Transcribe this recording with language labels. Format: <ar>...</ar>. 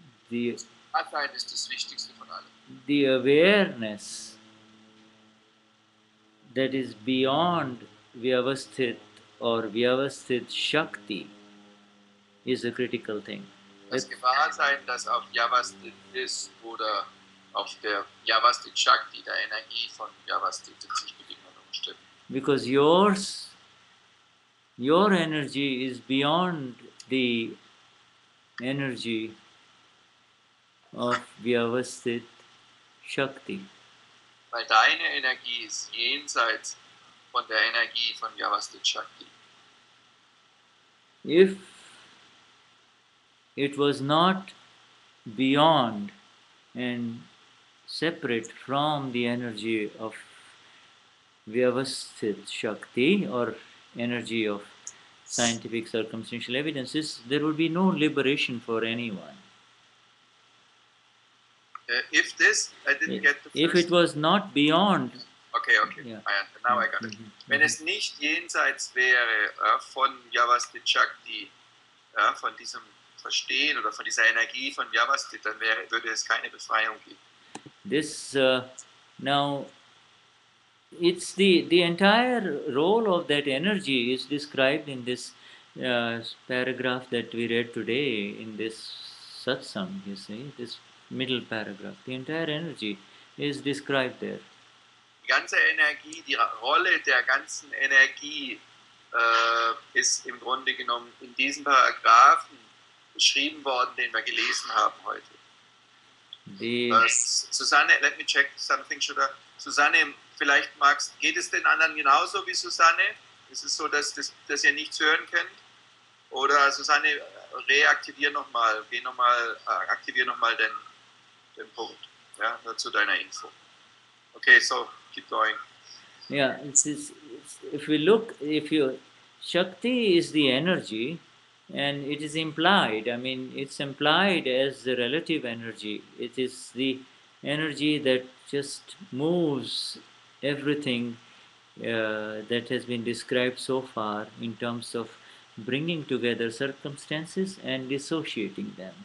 <en>The awareness that is beyond Vyavasthit or Vyavasthit Shakti is a critical thing.</en> <de>Das Gewahrsein, das auf Vyavasthit ist oder auf der Vyavasthit Shakti, der Energie von Vyavasthit, das sich bedingt und umstellt.</de> <en>Because your energy is beyond the energy of Vyavasthit Shakti.</en> <de>Weil deine Energie ist jenseits von der Energie von Vyavasthit Shakti.</de> <en>If it was not beyond and separate from the energy of Vyavasthit Shakti or energy of scientific circumstantial evidences, there would be no liberation for anyone. If it was not beyond... Okay. Yeah. Now I got it. Mm-hmm.</en> <de>Wenn es nicht jenseits wäre von Vyavasthit Shakti, von diesem Verstehen oder von dieser Energie von Vyavasthit, dann würde es keine Befreiung geben.</de> <en>This, now, it's the entire role of that energy is described in this paragraph that we read today in this satsang, you see, this middle paragraph. The entire energy is described there.</en> <de>Die ganze Energie, die Rolle der ganzen Energie ist im Grunde genommen in diesen Paragraphen geschrieben worden, den wir gelesen haben heute. Susanne, let me check something, Shuddha. Susanne, vielleicht magst, geht es den anderen genauso wie Susanne? Ist es so, dass ihr nichts hören könnt? Oder Susanne, reaktivier nochmal, aktivier nochmal den Punkt, ja, zu deiner Info.</de> <en>Okay, so, keep going. Yeah, if you look, Shakti is the energy, and it is implied, I mean, it's implied as the relative energy. It is the energy that just moves everything that has been described so far in terms of bringing together circumstances and dissociating them.</en>